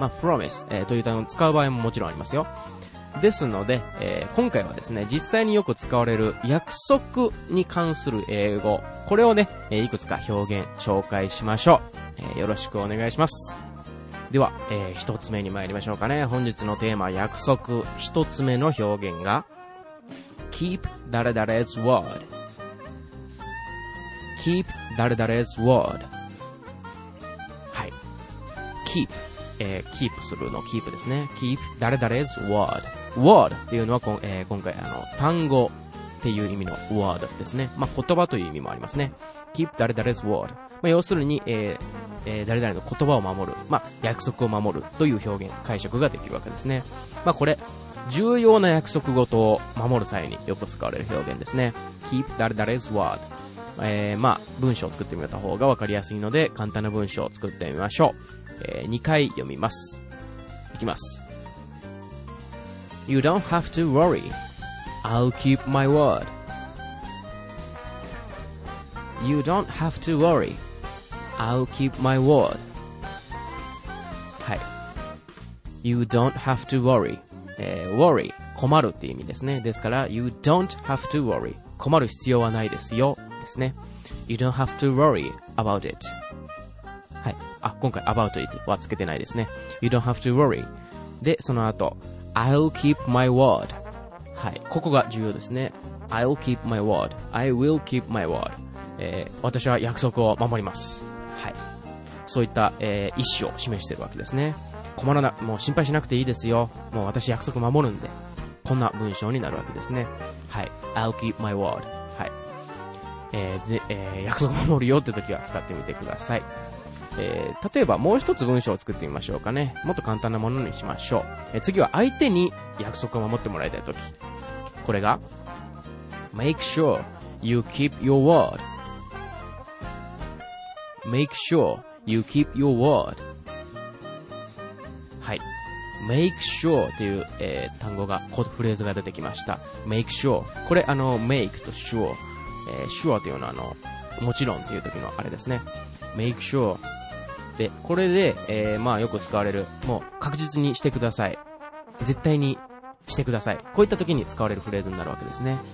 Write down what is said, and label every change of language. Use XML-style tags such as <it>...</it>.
<ja>まあプロミス、という単語を使う場合ももちろんありますよ。ですので、今回はですね、実際によく使われる約束に関する英語、これをね、いくつか表現紹介しましょう。よろしくお願いします。では、一つ目に参りましょうかね。本日のテーマ約束、一つ目の表現が</ja> <en>Keep 誰々's word. Keep 誰々's word.</en> <ja>はい。 Keep、keep するの keep ですね。</ja> <en>Keep 誰々's word.</en> <ja>Word っていうのは、今回単語っていう意味の word ですね。まあ、言葉という意味もありますね。</ja> <en>Keep 誰々's word。</en> <ja>まあ、要するに、誰々の言葉を守る、まあ、約束を守るという表現、解釈ができるわけですね。まあ、これ重要な約束事を守る際によく使われる表現ですね。</ja> <en>Keep 誰々's word。</en> <ja>まあ文章を作ってみた方がわかりやすいので簡単な文章を作ってみましょう。 2回読みます。いきます。</ja> <en>You don't have to worry, I'll keep my word. You don't have to worry, I'll keep my word.</en> <ja>はい、</ja> <en>You don't have to worryworry</en> <ja>困るっていう意味ですね。ですから</ja> <en>You don't have to worry、</en> <ja>困る必要はないですよですね。</ja> <en>You don't have to worry about it。</en> <ja>はい、あ、今回</ja> <en>about it</en> <ja>はつけてないですね。</ja> <en>You don't have to worry。</en> <ja>で、その後</ja> <en>I'll keep my word。</en> <ja>はい、ここが重要ですね。</ja> <en>I'll keep my word、 I will keep my word、</en> <ja>私は約束を守ります。はい、そういった、意思を示しているわけですね。困らな、もう心配しなくていいですよ。もう私約束守るんで。こんな文章になるわけですね。はい。</ja> <en>I'll keep my word。</en> <ja>はい。約束守るよって時は使ってみてください。例えばもう一つ文章を作ってみましょうかね。もっと簡単なものにしましょう。次は相手に約束を守ってもらいたい時、これが</ja> <en>Make sure you keep your word。 Make sure you keep your word。</en> <ja>はい、Make sure という、単語が、このフレーズが出てきました。 Make sure、 これあの Make と sure、sure というのはあのもちろんという時のあれですね。 Make sure で、これで、まあよく使われる、もう確実にしてください、絶対にしてください、こういった時に使われるフレーズになるわけですね。</ja>